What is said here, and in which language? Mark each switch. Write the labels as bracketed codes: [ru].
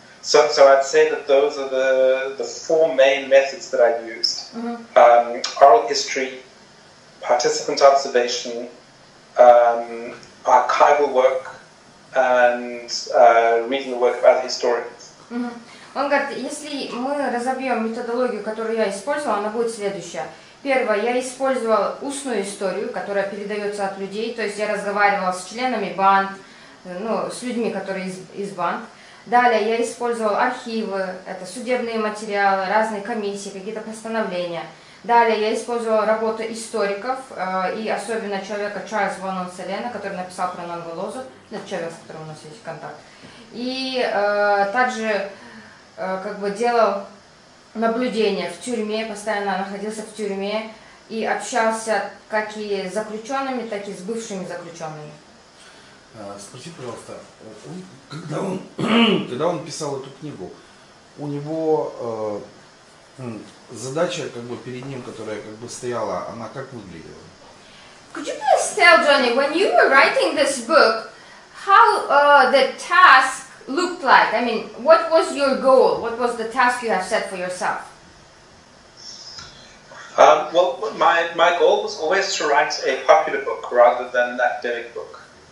[en] So I'd say that those are the four main methods that I used. Mm-hmm. Oral history, participant observation, archival work, and reading the work of other historians. Mm-hmm. [ru] Он говорит, если мы разобьем методологию, которую я использовал, она будет следующая. Первое, я использовал устную историю, которая передается от людей, то есть я разговаривал с членами банд, ну, с людьми, которые из банд. Далее я использовал архивы, это судебные материалы, разные комиссии, какие-то постановления. Далее я использовал работу историков, и особенно человека Чарльз Ванон Селена, который написал про Нонголозу, это человек, с которым у нас есть контакт. И также как бы делал наблюдения в тюрьме, постоянно находился в тюрьме и общался как и с заключенными, так и с бывшими заключенными. Спроси, пожалуйста, когда он писал эту книгу, у него задача как бы перед ним, которая как бы стояла, она как выглядела? [en] Could you please tell Johnny, when you were writing this book, how the task looked like? I mean, what was your goal? What was the task you have set for yourself? My goal was always to write a popular book rather than an academic book.